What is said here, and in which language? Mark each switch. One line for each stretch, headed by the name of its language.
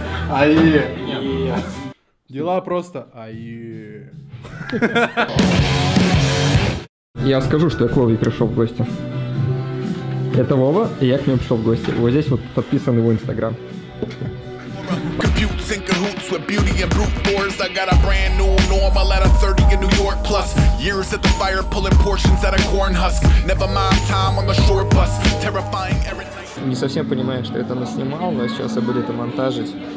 Russian: Ае. Ае. Дела просто. Ае. Я скажу, что я к Вове пришел в гости. Это Вова, и я к нему пришел в гости. Вот здесь вот подписан его инстаграм.
English: In cahoots with beauty and brute force. I got a brand new normal at a 30 in New York plus. Years at the fire pulling portions out of corn husk. Never mind time on the short bus. Terrifying every night.
Russian: Не совсем понимаю, что это наснимал, но сейчас я буду это монтажить.